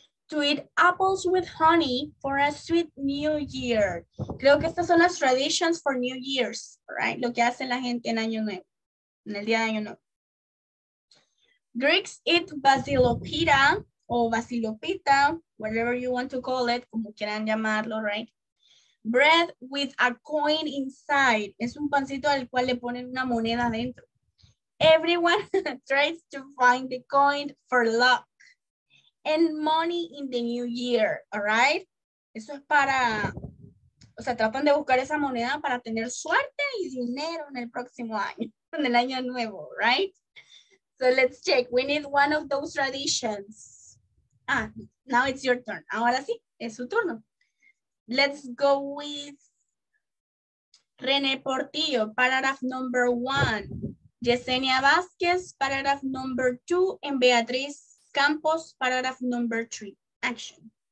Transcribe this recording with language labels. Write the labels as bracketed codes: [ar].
[en] To eat apples with honey for a sweet new year. [es] Creo que estas son las [en] traditions for New Year's, right? [es] Lo que hace la gente en Año Nuevo, en el día de Año Nuevo. [en] Greeks eat basilopita o basilopita, whatever you want to call it, [es] como quieran llamarlo, [en] right? Bread with a coin inside. [es] Es un pancito al cual le ponen una moneda dentro. [en] Everyone tries to find the coin for luck. And money in the new year, all right? [es] Eso es para, o sea, tratan de buscar esa moneda para tener suerte y dinero en el próximo año, en el año nuevo, right? [en] So let's check, we need one of those traditions. Ah, now it's your turn. [es] Ahora sí, es su turno. [en] Let's go with René Portillo, paragraph number one. Yesenia Vázquez, paragraph number two, and Beatriz Campos, paragraph number three. Action.